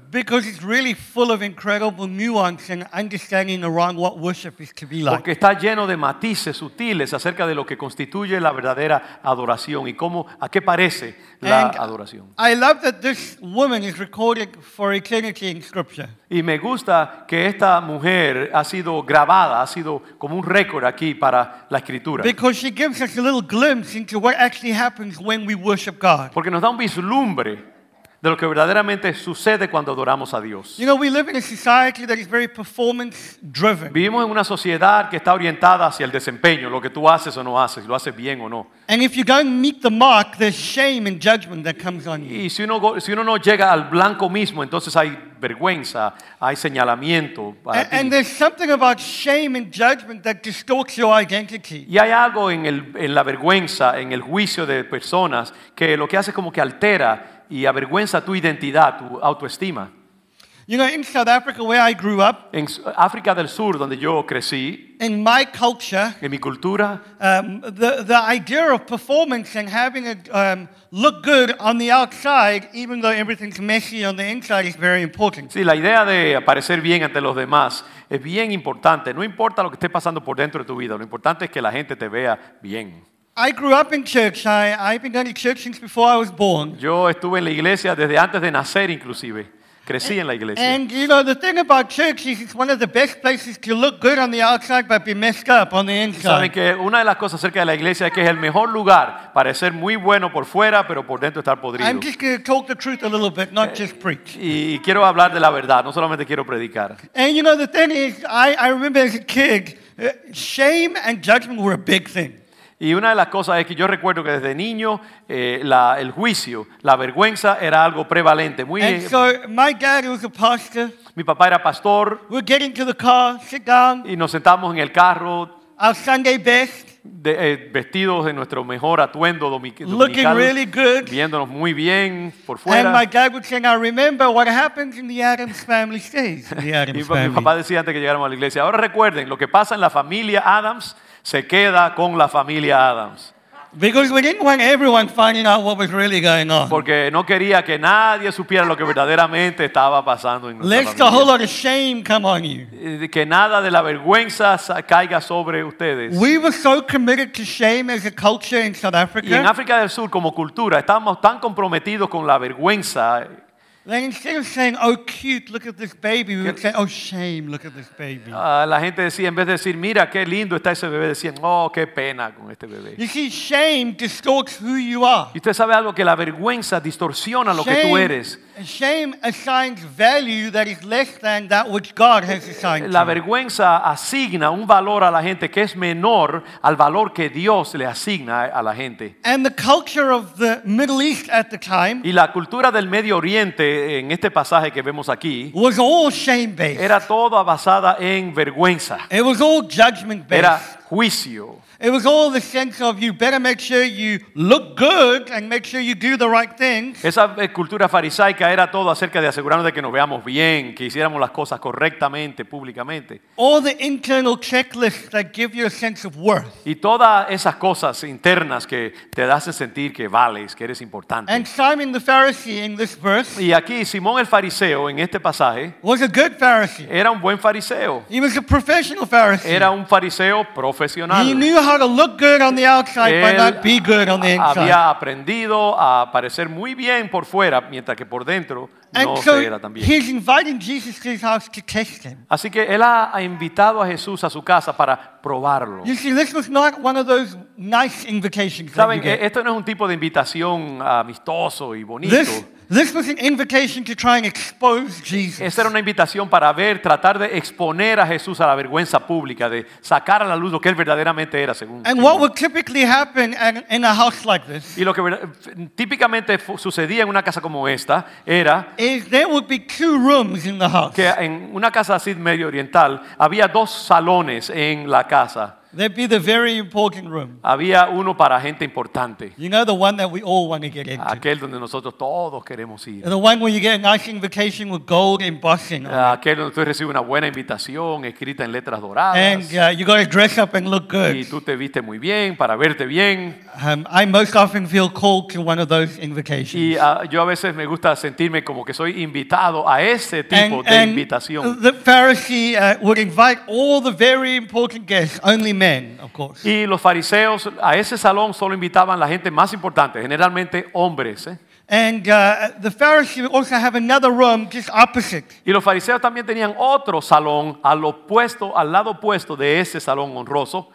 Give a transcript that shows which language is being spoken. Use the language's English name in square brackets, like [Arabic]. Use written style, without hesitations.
[English] Because it's really full of incredible nuance and understanding around what worship is to be like. [Spanish] Porque está lleno de matices sutiles acerca de lo que constituye la verdadera adoración y cómo a qué parece la adoración. [English] I love that this woman is recorded for eternity in scripture. [Spanish] Y me gusta que esta mujer ha sido grabada, ha sido como un récord aquí para la escritura. [English] Because she gives us a little glimpse into what actually happens when we worship God. [Spanish] Porque nos da un vislumbre de lo que verdaderamente sucede cuando adoramos a Dios. [English] You know, we live in a society that is very performance driven. [Spanish] Vivimos en una sociedad que está orientada hacia el desempeño, lo que tú haces o no haces, lo haces bien o no. [English] And if you don't meet the mark, there's shame and judgment that comes on you. [Spanish] Y si uno no llega al blanco mismo, entonces hay vergüenza, hay señalamiento para ti. [English] And there's something about shame and judgment that distorts your identity. [Spanish] Y hay algo en la vergüenza, en el juicio de personas, que lo que hace como que altera y avergüenza tu identidad, tu autoestima. [English] You know, in South Africa, where I grew up, [Spanish] en África del Sur, donde yo crecí, [English] in my culture, [Spanish] en mi cultura, [English] the idea of performance and having it look good on the outside, even though everything's messy on the inside, is very important. [Spanish] Sí, la idea de aparecer bien ante los demás es bien importante. No importa lo que esté pasando por dentro de tu vida, lo importante es que la gente te vea bien. [English] I grew up in church. I've been going to church since before I was born. [Spanish] Yo estuve en la iglesia desde antes de nacer, inclusive. Crecí en la iglesia. [English] And you know, the thing about church is it's one of the best places to look good on the outside but be messed up on the inside. [Spanish] Saben que una de las cosas acerca de la iglesia es que es el mejor lugar para ser muy bueno por fuera, pero por dentro estar podrido. [English] I'm just going to talk the truth a little bit, not just preach. [Spanish] Y quiero hablar de la verdad, no solamente quiero predicar. [English] And you know, the thing is, I remember as a kid, shame and judgment were a big thing. [Spanish] Y una de las cosas es que yo recuerdo que desde niño el juicio, la vergüenza era algo prevalente. Muy [English] and so my dad was a pastor. [Spanish] Mi papá era pastor. [English] We're getting to the car, sit down. [Spanish] Y nos sentamos en el carro. [English] Our Sunday best. [Spanish] Vestidos de nuestro mejor atuendo dominical. [English] Looking really good. [Spanish] Viéndonos muy bien por fuera. [English] And my dad would say, I remember what happens in the Adams family stays. [Spanish] Y mi papá decía antes que llegáramos a la iglesia, ahora recuerden lo que pasa en la familia Adams. Se queda con la familia Adams. [English] Because we didn't want everyone finding out what was really going on. [Spanish] Porque no quería que nadie supiera lo que verdaderamente estaba pasando en nuestra familia. [English] Lest a whole lot of shame come on you. [Spanish] Que nada de la vergüenza caiga sobre ustedes. [English] We were so committed to shame as a culture in South Africa. [Spanish] Y en África del Sur como cultura estábamos tan comprometidos con la vergüenza. [English] Then instead of saying, oh cute, look at this baby, we would say, oh shame, look at this baby. [Spanish] La gente decía, en vez de decir, mira qué lindo está ese bebé, decían, oh, qué pena con este bebé. [English] You see, shame distorts who you are. [Spanish] Y usted sabe algo, que la vergüenza distorsiona lo que tú eres. [English] Shame assigns value that is less than that which God has assigned. [Spanish] La vergüenza asigna un valor a la gente que es menor al valor que Dios le asigna a la gente. [English] And the culture of the Middle East at the time. [Spanish] Y la cultura del Medio Oriente en este pasaje que vemos aquí. [English] Was all shame based. [Spanish] Era toda basada en vergüenza. [English] It was all judgment based. [Spanish] Era juicio. [English] It was all the sense of you better make sure you look good and make sure you do the right things. [Spanish] Esa cultura farisaica era todo acerca de asegurarnos de que nos veamos bien, que hiciéramos las cosas correctamente, públicamente. [English] All the internal checklists that give you a sense of worth. [Spanish] Y todas esas cosas internas que te hacen sentir que vales, que eres importante. [English] And Simon the Pharisee in this verse. [Spanish] Y aquí Simón el fariseo en este pasaje. [English] Was a good Pharisee. [Spanish] Era un buen fariseo. [English] He was a professional Pharisee. [Spanish] Era un fariseo profesional. [English] He knew how to look good on the outside but not be good on the inside. [Spanish] Había aprendido a parecer muy bien por fuera, mientras que por dentro no se era tan bien. [English] And so he's inviting Jesus to his house to test him. [Spanish] Así que él ha invitado a Jesús a su casa para probarlo. [English] You see, this was not one of those nice invitations. [Spanish] Saben que esto no es un tipo de invitación amistoso y bonito. [English] This was an invitation to try and expose Jesus. [Spanish] Esta era una invitación para ver, tratar de exponer a Jesús a la vergüenza pública, de sacar a la luz lo que él verdaderamente era, según. [English] And what would typically happen in a house like this? [Spanish] Y lo que típicamente sucedía en una casa como esta era. [English] Is there would be two rooms in the house. [Spanish] Que en una casa así medio oriental había dos salones en la casa. [English] There'd be the very important room. [Spanish] Había uno para gente importante. [English] You know, the one that we all want to get into. [Spanish] Aquel donde nosotros todos queremos ir. [English] The one where you get a nice invitation with gold embossing. [Spanish] Aquel donde tú recibes una buena invitación escrita en letras doradas. [English] And you got to dress up and look good. [Spanish] Y tú te viste muy bien para verte bien. [English] I most often feel called to one of those invitations. [Spanish] Y yo a veces me gusta sentirme como que soy invitado a ese tipo de invitación. [English] And the Pharisee would invite all the very important guests, only men, of course. [Spanish] Y los fariseos a ese salón solo invitaban la gente más importante, generalmente hombres. [English] And the Pharisees also have another room just opposite. [Spanish] Y los fariseos también tenían otro salón al opuesto, al lado opuesto de ese salón honroso.